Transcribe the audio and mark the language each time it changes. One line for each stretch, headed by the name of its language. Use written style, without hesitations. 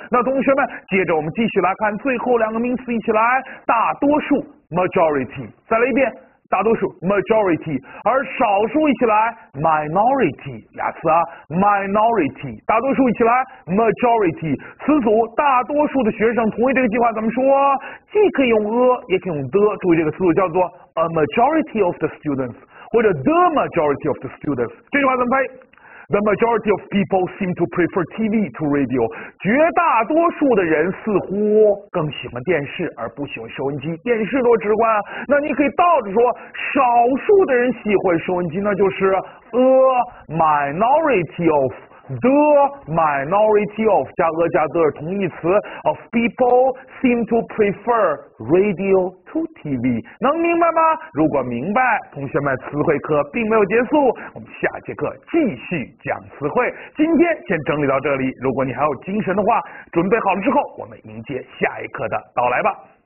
Chinese: 那同学们，接着我们继续来看最后两个名词，一起来，大多数 majority, 再来一遍，大多数 majority, 而少数一起来 minority, 俩词啊 minority, 大多数一起来 majority, 词组大多数的学生同意这个计划怎么说，既可以用 a 也可以用 the, 注意这个词组叫做 a majority of the students, 或者 the majority of the students, 这句话怎么背？
English: The majority of people seem to prefer TV to radio.
Chinese: 绝大多数的人似乎更喜欢电视而不喜欢收音机。电视多直观啊！那你可以倒着说，少数的人喜欢收音机，那就是 a minority of the minority of 加 a 加 the 同义词
English: of people seem to prefer radio to TV.
Chinese: 能明白吗？如果明白，同学们，词汇课并没有结束，我们下节课继续讲词汇。今天先整理到这里，如果你还有精神的话，准备好了之后，我们迎接下一课的到来吧。